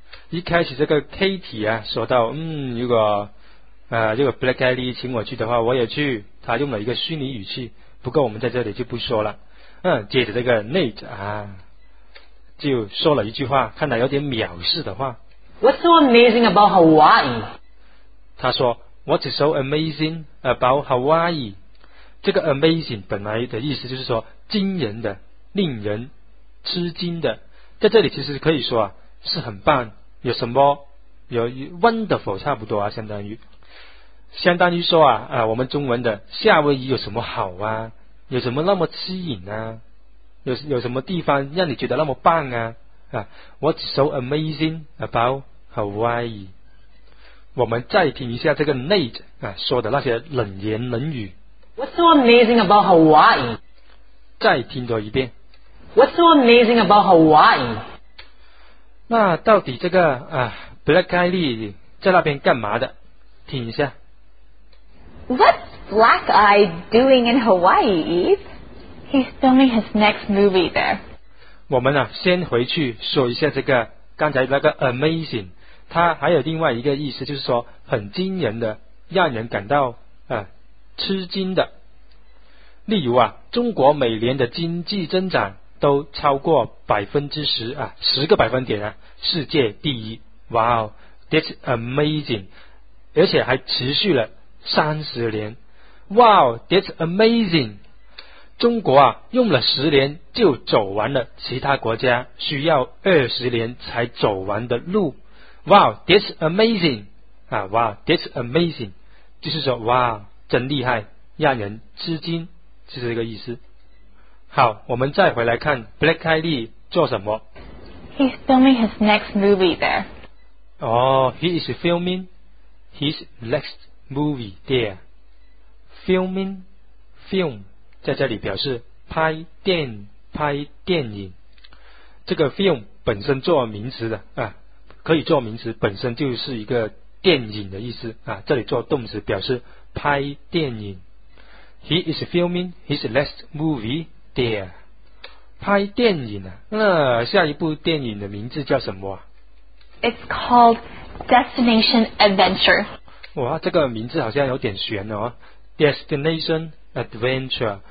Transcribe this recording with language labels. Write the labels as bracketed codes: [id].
[zh] 一开始这个 Katie 啊说到，嗯，如果 Black Eyed Lee 请我去的话我也去，他用了一个虚拟语气，不过我们在这里就不说了。嗯，接着这个 Nate 啊就说了一句话，看来有点藐视的话。 [en] What's so amazing about Hawaii? [zh] 他说 [en] What's so amazing about Hawaii? [zh] 这个 amazing 本来的意思就是说惊人的，令人吃惊的，在这里其实可以说啊是很棒，有什么有 wonderful 差不多啊，相当于说啊，我们中文的夏威夷有什么好啊，有什么那么吸引啊，有什么地方让你觉得那么棒啊，啊 [en] What's so amazing about Hawaii? [zh] 我们再听一下这个 Nate 啊说的那些冷言冷语。 [en] What's so amazing about Hawaii? [zh] 再听多一遍。 [en] What's so amazing about Hawaii? [zh] 那到底这个啊 Black Eyed Lee 在那边干嘛的，听一下。 [en] What's Black Eye doing in Hawaii, Eve? He's filming his next movie there. [zh] 我们啊先回去说一下这个刚才那个 amazing， 它还有另外一个意思，就是说很惊人的，让人感到吃惊的。例如啊，中国每年的经济增长都超过10%啊，十个百分点啊，世界第一。 [en] Wow, that's amazing， [zh] 而且还持续了30年。 [en] Wow, that's amazing。 [zh] 中国啊用了10年就走完了其他国家需要20年才走完的路。 [en] Wow, that's amazing. 啊 wow, that's amazing. [zh] 就是说哇真厉害，让人吃惊，是这个意思。好，我们再回来看 Black Eyed Lee 做什么。 [en] He's filming his next movie there. 哦、he is filming his next movie there. Filming, film. [zh] 在这里表示拍电影，这个 film 本身做名词的啊，可以做名词，本身就是一个电影的意思啊。这里做动词表示拍电影。 [en] He is filming his last movie there. [zh] 拍电影啊，那下一部电影的名字叫什么啊 [en] ？It's called Destination Adventure. [zh] 哇，这个名字好像有点悬哦 ，Destination Adventure。